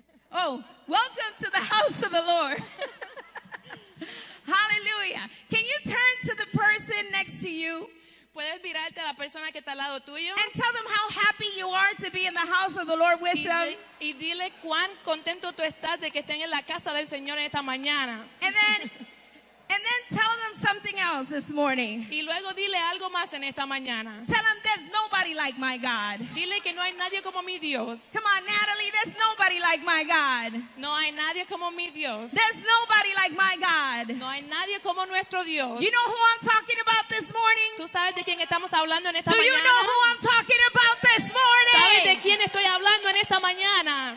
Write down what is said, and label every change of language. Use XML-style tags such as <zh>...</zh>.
<en>Oh, welcome to the house of the Lord. Hallelujah. Can you turn to the person next to you?</en> <es>¿Puedes mirarte a la persona que está al lado tuyo?</es> <en>And tell them how happy you are to be in the house of the Lord with them.</en> <es>Y dile cuán contento tú estás de que estén en la casa del Señor esta mañana.</es> <en>And then tell them something else this morning.</en> <es>Y luego dile algo más en esta mañana.</es> <en>Tell them there's nobody like my God.</en> <es>Dile que no hay nadie como mi Dios.</es> <en>Come on, Natalie, there's nobody like my God.</en> <es>No hay nadie como mi Dios.</es> <en>There's nobody like my God.</en> <es>No hay nadie como nuestro Dios.</es> <en>You know who I'm talking about this morning?</en> <es>¿Tú sabes de quién estamos hablando en esta</es> <en>Do</en> <es>mañana?</es> <en>You know who I'm talking about this morning?</en> <es>¿Sabes de quién estoy hablando en esta mañana?</es>